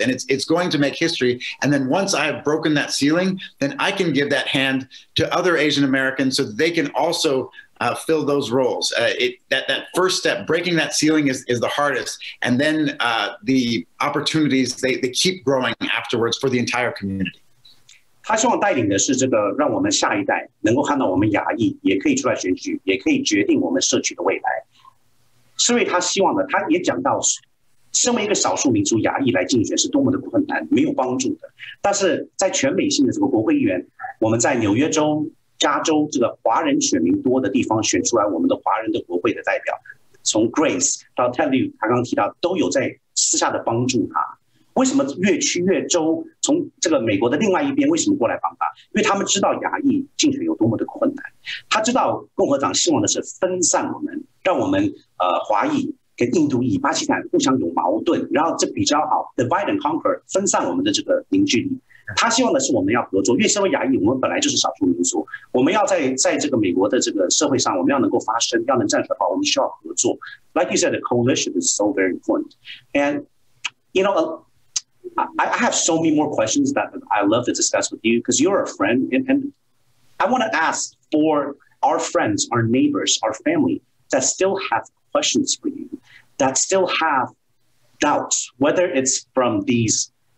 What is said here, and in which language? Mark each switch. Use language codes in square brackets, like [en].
[en] And it's going to make history. And then once I have broken that ceiling, then I can give that hand to other Asian Americans so that they can also fill those roles. That first step, breaking that ceiling is the hardest. And then the opportunities, they keep growing afterwards for the entire community. [zh] 他希望带领的是这个，让我们下一代能够看到我们亚裔也可以出来选举，也可以决定我们社区的未来。所以他希望的，他也讲到，身为一个少数民族亚裔来竞选是多么的困难，没有帮助的。但是在全美性的这个国会议员，我们在纽约州加州这个华人选民多的地方选出来我们的华人的国会的代表，从 Grace 到 Ted Lieu， 他刚刚提到都有在私下的帮助他。为什么越区越州从这个美国的另外一边为什么过来帮他？因为他们知道亚裔竞选有多么的困难，他知道共和党希望的是分散我们，让我们华裔跟印度裔、巴基斯坦互相有矛盾，然后这比较好 [en] divide and conquer， [zh] 分散我们的这个凝聚力。他希望的是我们要合作，因为身为亚裔，我们本来就是少数民族，我们要在这个美国的这个社会上，我们要能够发声，要能站出来的话，我们需要合作。 [en] Like you said, the coalition is so very important. And you know, I have so many more questions that I love to discuss with you because you're a friend, and I want to ask for our friends, our neighbors, our family that still have questions for you, that still have doubts, whether it's from these.